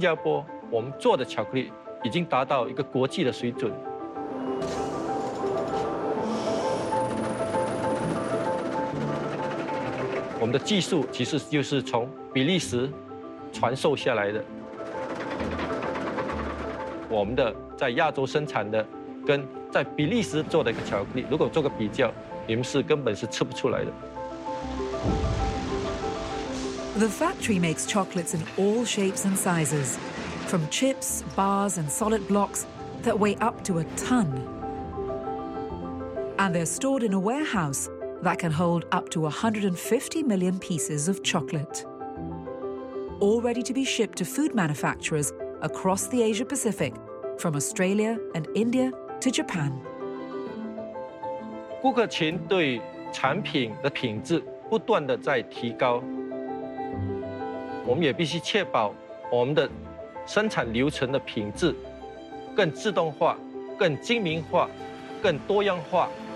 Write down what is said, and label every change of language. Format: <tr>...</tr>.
<zh>很多消费者有一种错觉，都认为外国的月亮比较圆，他们会买外国制造的一个巧克力。其实，在新加坡，我们做的巧克力 已经达到一个国际的水准。我们的技术其实就是从比利时传授下来的。我们的在亚洲生产的跟在比利时做的一个巧克力，如果做个比较，你们是根本是吃不出来的。</zh> <en>The factory makes chocolates in all shapes and sizes. From chips, bars, and solid blocks that weigh up to a ton. And they're stored in a warehouse that can hold up to 150 million pieces of chocolate. all ready to be shipped to food manufacturers across the Asia Pacific, from Australia and India to Japan.</en> <zh>顾客群对产品的品质不断地在提高，我们也必须确保我们的生产流程的品质更自动化、更精明化、更多样化。</zh>